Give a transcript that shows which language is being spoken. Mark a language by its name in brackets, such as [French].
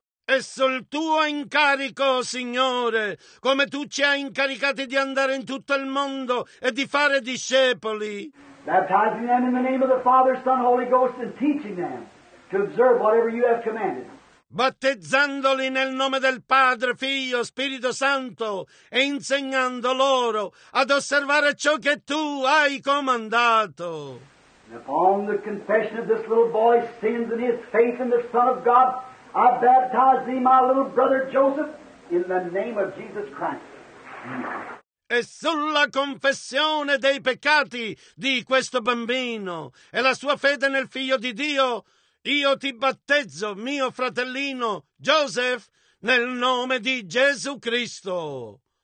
[Italian] E sul tuo incarico, Signore, come tu ci hai incaricati di andare in tutto il mondo e di fare discepoli, [English] baptizing them in the name of the Father, Son, Holy Ghost, and teaching them to observe whatever you have commanded. [Italian] Battezzandoli nel nome del Padre, Figlio, Spirito Santo e insegnando loro ad osservare ciò che tu hai comandato. [English] And upon the confession of this little boy's sins and his faith in the Son of God, I baptize thee, my little brother Joseph, in the name of Jesus Christ. Amen. [Italian] E sulla confessione dei peccati di questo bambino e la sua fede nel Figlio di Dio, io ti battezzo, mio fratellino, Joseph, nel nome di Gesù Cristo.